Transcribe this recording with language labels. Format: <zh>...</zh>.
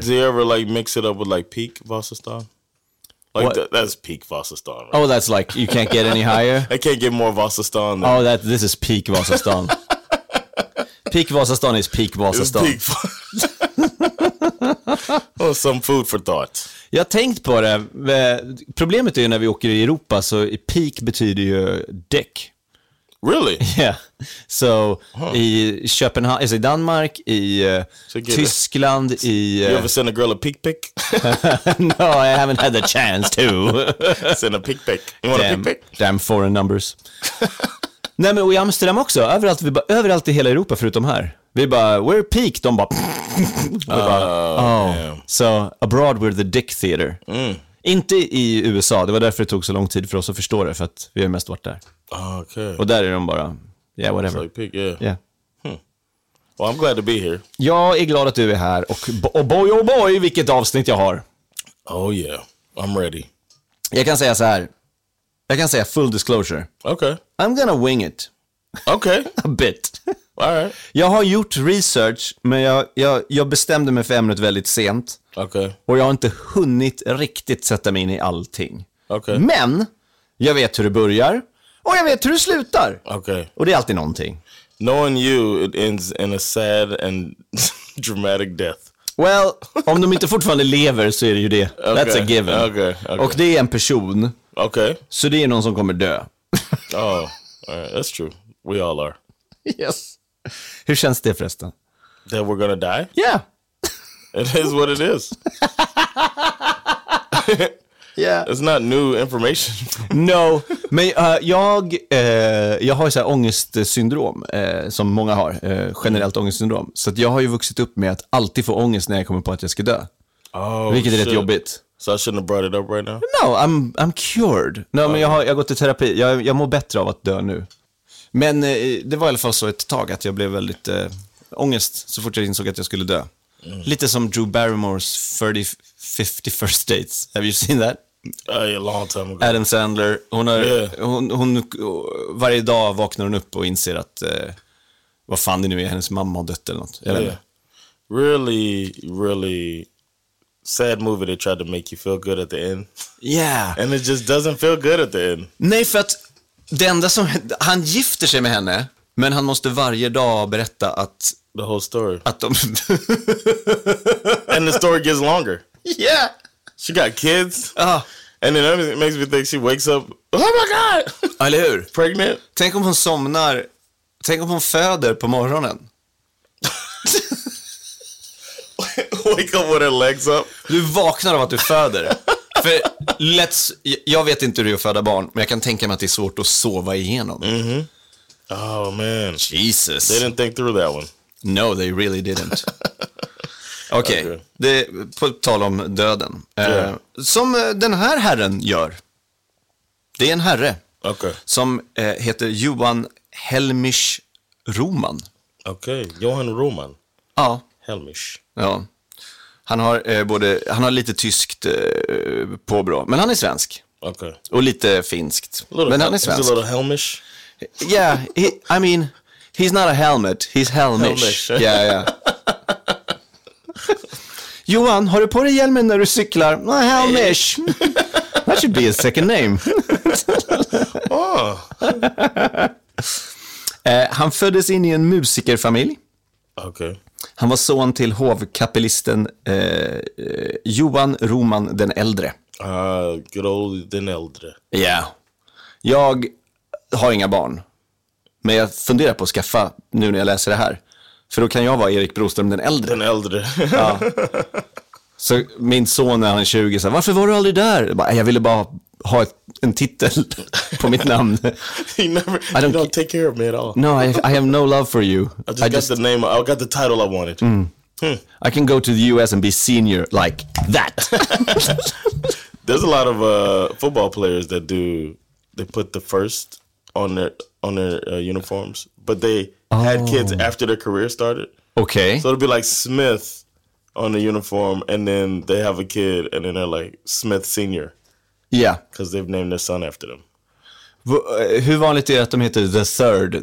<en>Do you ever like mix it up with like Peak Vasastan? Like that's peak Vasastan. Right? Oh, that's like you can't get any higher. I can't get more Vasastan. Oh, that this is peak Vasastan. Peak Vasastan is peak Vasastan. Peak... Oh, some food for thought.</en> <sv>Jag tänkt på det. Problemet är ju när vi åker i Europa, så peak betyder ju däck.</sv> <en>Really?</en> <sv>Yeah. So I Köpenhamn, alltså i Danmark, i Tyskland, i...</sv> <en>You ever send a girl a pick pick? No, I haven't had the chance to. Send a pick pick. You want damn, a pick pick? Damn foreign numbers.</en> <sv>Nej, men i Amsterdam också. Överallt, vi bara, överallt i hela Europa förutom här. Vi bara,</sv> <en>we're peak.</en> <sv>De bara...</sv> <en>So, abroad we're the dick theater. Mm.</en> <sv>Inte i USA. Det var därför det tog så lång tid för oss att förstå det. För att vi har mest varit där.</sv> <en>Okay.</en> <sv>Och där är de bara...</sv> <en>Yeah, whatever. It's like peak, yeah. Yeah. Hmm. Well, I'm glad to be here.</en> <sv>Jag är glad att du är här. Och</sv> <en>boy, oh boy,</en> <sv>vilket avsnitt jag har.</sv> <en>Oh yeah, I'm ready.</en> <sv>Jag kan säga så här. Jag kan säga full disclosure.</sv> <en>Okay. I'm gonna wing it. Okay. A bit. All right.</en> <sv>Jag har gjort research, men jag bestämde mig för ämnet väldigt sent.</sv> <en>Okay.</en> <sv>Och jag har inte hunnit riktigt sätta mig in i allting.</sv> <en>Okay.</en> <sv>Men jag vet hur det börjar. Och jag vet hur det slutar.</sv> <en>Okay.</en> <sv>Och det är alltid någonting.</sv> <en>Knowing you, it ends in a sad and dramatic death. Well,</en> <sv>om de inte fortfarande lever så är det ju det.</sv> <en>Okay. That's a given. Okay. Okay.</en> <sv>Och det är en person.</sv> <en>Okay.</en> <sv>Så det är någon som kommer dö.</sv> <en>Oh, all right. That's true. We all are. Yes. Hur känns det förresten? That we're gonna die? Yeah. It is what it is. Yeah. It's not new information. No,</en> <sv>men jag har ju så här ångestsyndrom som många har, generellt ångestsyndrom. Så att jag har ju vuxit upp med att alltid få ångest när jag kommer på att jag ska dö.</sv> <en>Oh,</en> <sv>vilket är</sv> <en>shit.</en> <sv>Rätt jobbigt.</sv> <en>So I shouldn't have brought it up right now? No, I'm cured.</en> <sv>No, men jag har gått i terapi. Jag mår bättre av att dö nu. Men det var i alla fall så ett tag att jag blev väldigt ångest så fort jag insåg att jag skulle dö.</sv> <en>Mm.</en> <sv>Lite som</sv> <en>Drew Barrymore's 51st Dates. Have you seen that? A long time ago. Adam Sandler.</en> <sv>Hon varje dag vaknar hon upp och inser att vad fan det nu är, hennes mamma har dött eller något. Eller?</sv> <en>Yeah. Really, really sad movie that tried to make you feel good at the end. Yeah. And it just doesn't feel good at the end.</en> <sv>Nej, för att det enda som... Han gifter sig med henne, men han måste varje dag berätta att...</sv> <en>The whole story.</en> <sv>Att de...</sv> <en>And the story gets longer. Yeah. She got kids. And then it makes me think she wakes up. Oh my god.</en> <sv>Eller hur?</sv> <en>Pregnant.</en> <sv>Tänk om hon somnar. Tänk om hon föder på morgonen.</sv> <en>Wake up with her legs up.</en> <sv>Du vaknar av att du föder. För jag vet inte hur det är att föda barn, men jag kan tänka mig att det är svårt att sova igenom.</sv> <en>Mm-hmm. Oh man. Jesus. They didn't think through that one. No, they really didn't.</en> <sv>Okej,</sv> <en>okay.</en> <sv>På tal om döden.</sv> <en>Yeah.</en> <sv>Som den här herren gör. Det är en herre.</sv> <en>Okay.</en> <sv>Som heter Johan Helmich Roman.</sv> <en>Okej, okay. Johan Roman.</en> <sv>Ja. Helmich. Ja. Han har han har lite tyskt påbrå, men han är svensk.</sv> <en>Okay.</en> <sv>Och lite finskt. Men han är svensk.</sv> <en>Is he a little Helmich? Yeah, he's not a helmet, he's Helmich. Yeah, yeah.</en> <sv>Johan, har du på dig hjälmen när du cyklar? Nej, Helmich.</sv> <en>That should be his second name. Oh.</en> <sv>Han föddes in i en musikerfamilj.</sv> <en>Okay.</en> <sv>Han var son till hovkapellisten Johan Roman den äldre. Grål den äldre. Ja.</sv> <en>Yeah.</en> <sv>Jag har inga barn. Men jag funderar på att skaffa nu när jag läser det här. För då kan jag vara Erik Broström den äldre. Den äldre. Ja. Så min son när han är 20 så här, varför var du aldrig där? Jag ville bara ha en titel på mitt namn.</sv> <en>You don't take care of me at all. No, I have no love for you. I got the title I wanted. Mm. I can go to the US and be senior like that. There's a lot of football players that do, they put the first on their uniforms, but they had kids after their career started. Okay. So it'll be like Smith on the uniform, and then they have a kid, and then they're like Smith Senior. Yeah. Because they've named their son after them.</en> <sv>Hur vanligt är det att de heter</sv> <en>The Third?</en>